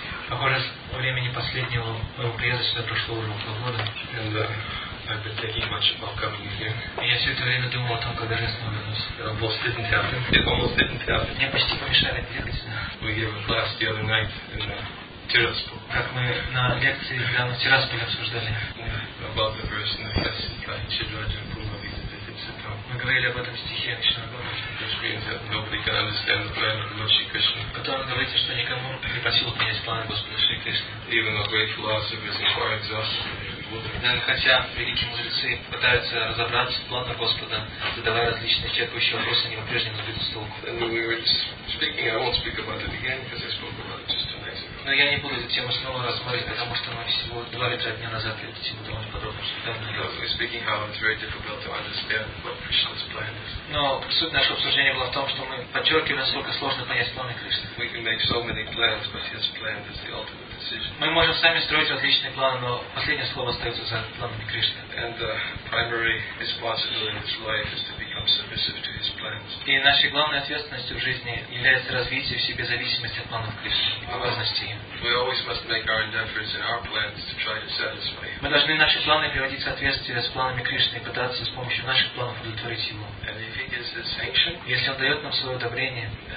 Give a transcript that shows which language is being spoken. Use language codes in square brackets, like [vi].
[ru] Agora, o времени последнего моего приезда прошло уже около года. [en] And I've been thinking much about coming here. [ru] И я все это время думал о том, когда же я снова вернусь. [en] Almost didn't happen. It almost didn't happen. [ru] Мне почти помешали двигаться. [en] We gave a class the other night in Tiraspol. [ru] Как мы на лекции в Тирасполе обсуждали. [en] About the verse in the Chidrajan Puma Vita Vithitsita. [ru] Мы говорили об этом стихе на Чинагоре. [en] Nobody can understand the plan of Lord Shri Krishna. [ru] Который говорит, что никому не по силу понять планы Господа Шри Кришны. [en] Even the great philosophers are quite exhausted. [ru] Хотя великие мудрецы пытаются разобраться в планах Господа, задавая различные черпающие вопросы, они по-прежнему сбиты с толку. [en] And we were just speaking. I won't speak about it again because I spoke about it just 2 nights ago. [ru] Но я не буду эту тему снова рассматривать, потому что мы всего 2 или 3 дня назад эту тему довольно подробно обсуждали. [en] We're speaking how it's very difficult to understand what Krishna's plan is. [ru] Но суть нашего обсуждение было в том, что мы подчеркиваем, насколько сложно понять планы Кришны. [en] We can make so many plans, but his plan is the ultimate decision. [ru] Мы можем сами строить различные планы, но последнее слово остается за планами Кришны. [en] And the primary responsibility in his life is to become submissive to his plans. [ru] И нашей главной ответственностью в жизни является развитие в себе зависимости от планов Кришны и благодарности им. [en] We always must make our endeavors and our plans to try to satisfy him. [ru] Мы должны наши планы приводить в соответствие с планами Кришны и пытаться с помощью наших планов удовлетворить его. [en] And if he gives his [ru] если он дает нам свое одобрение,